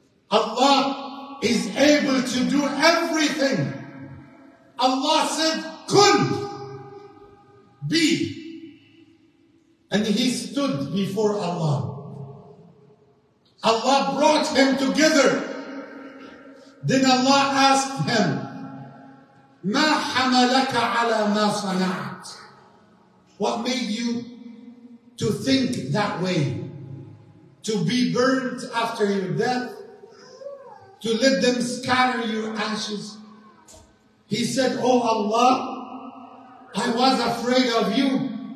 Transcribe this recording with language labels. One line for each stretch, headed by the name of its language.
English: Allah is able to do everything. Allah said, "Kun, be." And he stood before Allah. Allah brought him together. Then Allah asked him,
Arabic: مَا حَمَلَكَ عَلَى مَا صَنَعَتْ.
English: What made you to think that way? To be burnt after your death? To let them scatter your ashes? He said, oh Allah, I was afraid of you.